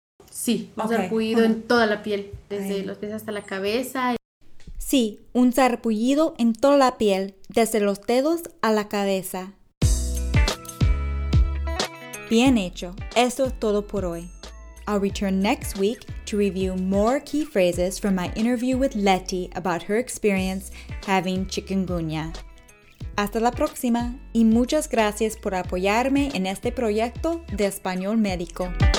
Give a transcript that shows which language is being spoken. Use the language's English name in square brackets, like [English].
[Spanish] Sí, un sarpullido en toda la piel, desde los pies hasta la cabeza. Sí, un sarpullido en toda la piel, desde los dedos a la cabeza. Bien hecho. Eso es todo por hoy. [English] I'll return next week to review more key phrases from my interview with Letty about her experience having chikungunya. [Spanish] Hasta la próxima y muchas gracias por apoyarme en este proyecto de Español Médico.